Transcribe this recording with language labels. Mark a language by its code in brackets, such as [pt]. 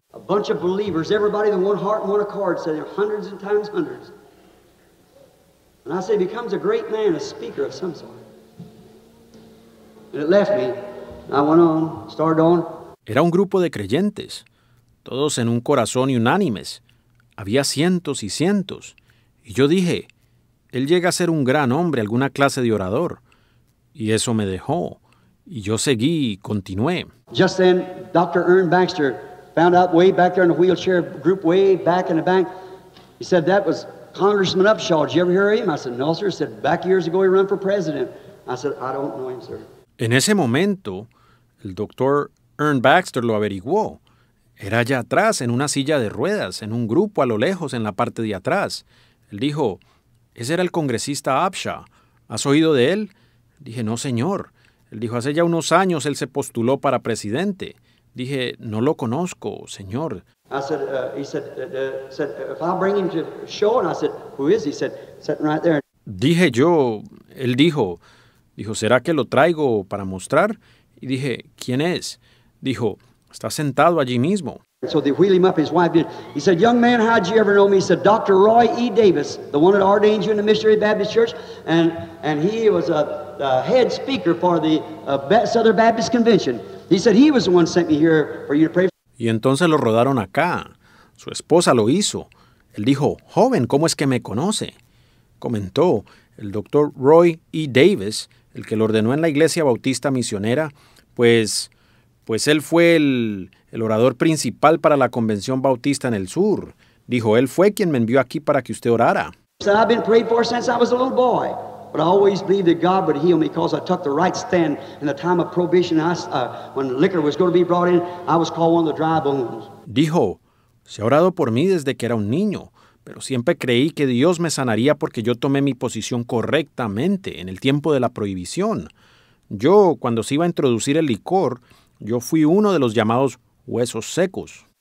[en] A bunch of believers, everybody with one heart and one accord, said there are hundreds and times hundreds. And I said, he becomes a great man, a speaker of some sort. And it left me. I went on, started on. [es] Era un grupo de creyentes, todos en un corazón y unánimes. Había cientos y cientos. Y yo dije, él llega a ser un gran hombre, alguna clase de orador. Y eso me dejó. Y yo seguí y continué. [en] Just then, Dr. Ern Baxter found out way back there in the wheelchair group, way back in the bank. He said, that was Congressman Upshaw. Did you ever hear of him? I said, no, sir. He said, back years ago, he ran for president. I said, I don't know him, sir. [es] En ese momento, el Dr. Ern Baxter lo averiguó. Era allá atrás, en una silla de ruedas, en un grupo a lo lejos, en la parte de atrás. Él dijo, ese era el congresista Upshaw. ¿Has oído de él? Dije, no, señor. Él dijo, hace ya unos años él se postuló para presidente. Dije, no lo conozco, señor. [en] I said, he said, if I bring him to show, and I said, who is he? He said, sitting right there. [es] Dije yo, él dijo, ¿será que lo traigo para mostrar? Y dije, ¿quién es? Dijo, está sentado allí mismo. [en] So they wheel him up, his wife did. He said, young man, how'd you ever know me? He said, Dr. Roy E. Davis, the one that ordained you in the Missionary Baptist Church, and he was a head speaker for the Southern Baptist Convention. He said, he was the one sent me here for you to pray for. [es] Y entonces lo rodaron acá. Su esposa lo hizo. Él dijo, joven, ¿cómo es que me conoce? Comentó, el Dr. Roy E. Davis, el que lo ordenó en la Iglesia Bautista Misionera, pues él fue el orador principal para la Convención Bautista en el Sur. Dijo, él fue quien me envió aquí para que usted orara. [en] So I've been prayed for since I was a little boy. But I always believed that God would heal me because I took the right stand in the time of prohibition. When liquor was going to be brought in, I was called one of the dry bones. [es] Dijo, se ha orado por mí desde que era un niño, pero siempre creí que Dios me sanaría porque yo tomé mi posición correctamente en el tiempo de la prohibición. Yo, cuando se iba a introducir el licor, yo fui uno de los llamados huesos secos.